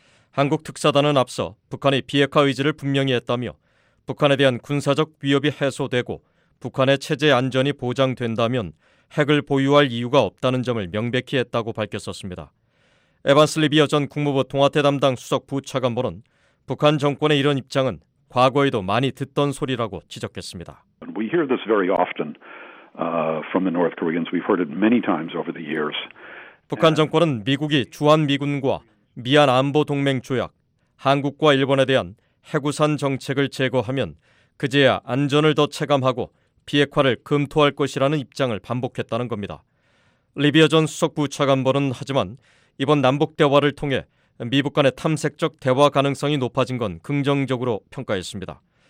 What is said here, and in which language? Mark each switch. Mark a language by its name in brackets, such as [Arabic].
[Korean] 한국 특사단은 앞서 북한의 비핵화 의지를 분명히 했다며 북한에 대한 군사적 위협이 해소되고 북한의 체제 안전이 보장된다면 핵을 보유할 이유가 없다는 점을 명백히 했다고 밝혔었습니다. 에반스 리비어 전 국무부 통화태 담당 수석 부차관보는 북한 정권의 이런 입장은 과거에도 많이 듣던 소리라고 지적했습니다. [English] We hear this very often from the North Koreans. We've heard it many times over the years. [Korean] 북한 정권은 미국이 주한미군과 미한안보동맹조약, 한국과 일본에 대한 핵우산 정책을 제거하면 그제야 안전을 더 체감하고 비핵화를 검토할 것이라는 입장을 반복했다는 겁니다. 리비어 전 수석부차관보는 하지만 이번 남북대화를 통해 미북 간의 탐색적 대화 가능성이 높아진 건 긍정적으로 평가했습니다.